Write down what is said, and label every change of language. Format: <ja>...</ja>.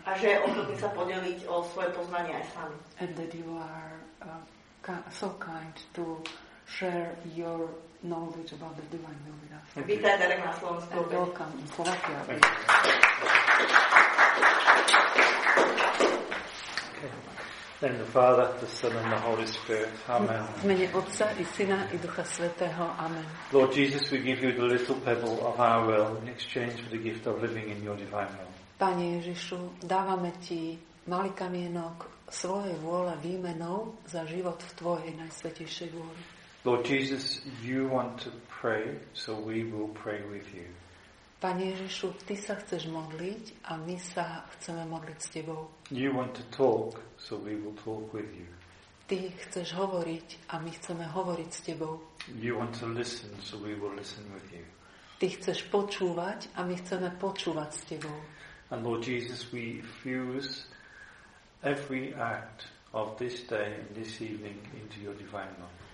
<sk>A že je ochotný sa podeliť o svoje poznanie aj sami.</sk> <en>And that you are so kind to share your knowledge about the divine will with us.</en> <sk>Vítaj Derek na Slovensku.</sk> <en>And welcome in Slovakia. In the name of the Father, the Son, and the Holy Spirit. Amen.</en> <sk>V mene Otca i Syna i Ducha Svätého. Amen.</sk> <en>Lord Jesus, we give you the little pebble of our will in exchange for the gift of living in your divine will.</en> <sk>Pane Ježišu, dávame ti malý kamienok svojej vôle výmenou za život v tvojej najsvätejšej vôli.</sk> <en>Lord Jesus, you want to pray, so we will pray with you.</en> <sk>Pane Ježišu, ty sa chceš modliť a my sa chceme modliť s tebou.</sk> <en>You want to talk, so we will talk with you.</en> <sk>Ty chceš hovoriť a my chceme hovoriť s tebou.</sk> <en>You want to listen, so we will listen with you.</en> <sk>Ty chceš počúvať a my chceme počúvať s tebou.</sk> <en>And Lord Jesus, we fuse every act of this day and this evening into your divine will.</en>